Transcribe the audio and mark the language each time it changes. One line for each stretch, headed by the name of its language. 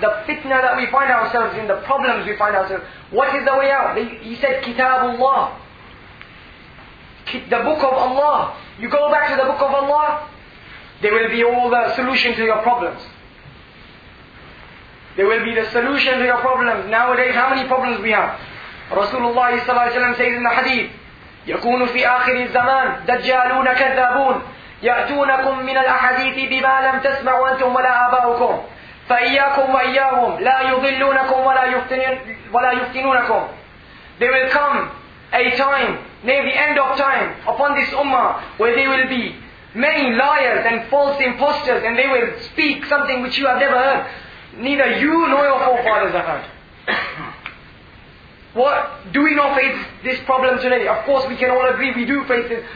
English: The fitna that we find ourselves in, the problems we find ourselves in. What is the way out? He said, Kitabullah. The book of Allah. You go back to the book of Allah, there will be all the solution to your problems. There will be the solution to your problems. Nowadays, how many problems we have? Rasulullah ﷺ says in the hadith,
Arabic: يَكُونُ فِي آخِرِ الزَّمَانِ دَجَّالُونَ كَذَّابُونَ يَأْتُونَكُمْ مِنَ الْأَحَدِيثِ بِمَا لَمْ تَسْمَعُوا أَنْتُمْ وَلَا آبَاؤُكُمْ فَإِيَّاكُمْ وَإِيَّاهُمْ لَا يُضِلُّونَكُمْ وَلَا يُفْتِنُونَكُمْ.
English: They will come a time near the end of time upon this ummah where there will be many liars and false imposters and they will speak something which you have never heard. Neither you nor your forefathers have heard. what do we not face this problem today? Of course, we can all agree we do face it.